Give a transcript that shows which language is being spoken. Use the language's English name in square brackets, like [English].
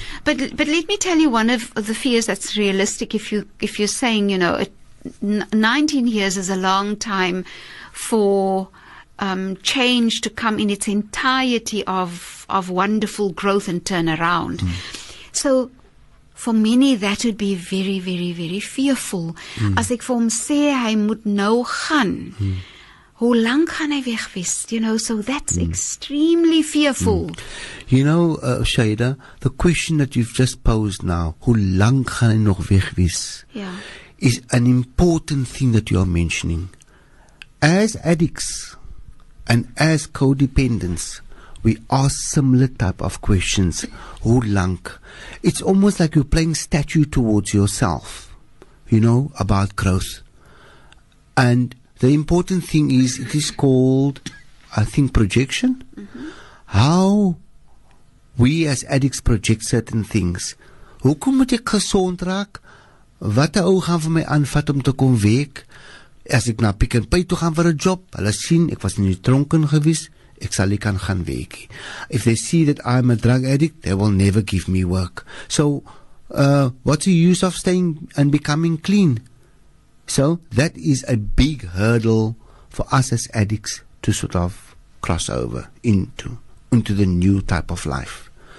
[English] But let me tell you one of the fears that's realistic if you're saying, you know, 19 years is a long time for change to come in its entirety of wonderful growth and turnaround. Mm. So for many, that would be very, very, very fearful. Mm. [Afrikaans] As ek vir hom sê, hy moet nou gaan. Mm. Hoe lang gaan hy weg wees? [English] You know, so that's extremely fearful. Mm. You know, Shahieda, the question that you've just posed now, [Afrikaans] hoe lang gaan hy nog weg wees, [English] is an important thing that you are mentioning. As addicts and as codependents, we ask similar type of questions. [Afrikaans] Hoe lang? [English] It's almost like you're playing statue towards yourself, you know, about growth. And the important thing is, it is called, I think, projection. Mm-hmm. How we as addicts project certain things. [Afrikaans] Hoe kom ek gesond raak? Wat die ou gaan vir my aanvat om te kom werk? As ek na Pick n Pay toe gaan vir 'n job, hulle sien ek was in die tronken gewees. Ek sal nie kan gaan werk. [English] If they see that I'm a drug addict, they will never give me work. So, what's the use of staying and becoming clean? So, that is a big hurdle for us as addicts to sort of cross over into the new type of life.